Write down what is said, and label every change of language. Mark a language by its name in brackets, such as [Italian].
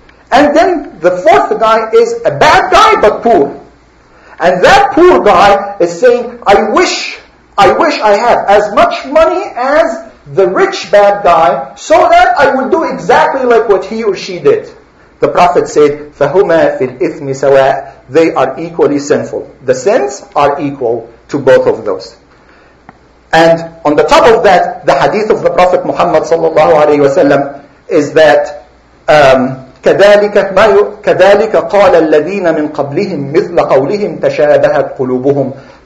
[English] And then the fourth guy is a bad guy but poor. And that poor guy is saying, I wish I have as much money as the rich bad guy, so that I will do exactly like what he or she did. The Prophet said, [Arabic] فَهُمَا فِي الْإِثْمِ سَوَاءٌ. [English] They are equally sinful. The sins are equal to both of those. And on the top of that, the hadith of the Prophet Muhammad sallallahu alayhi wasallam is that, [Arabic] كَذَلِكَ قَالَ الَّذِينَ مِنْ قَبْلِهِمْ مِثْلَ قَوْلِهِمْ تَشَابَهَتْ قُلُوبُهُمْ.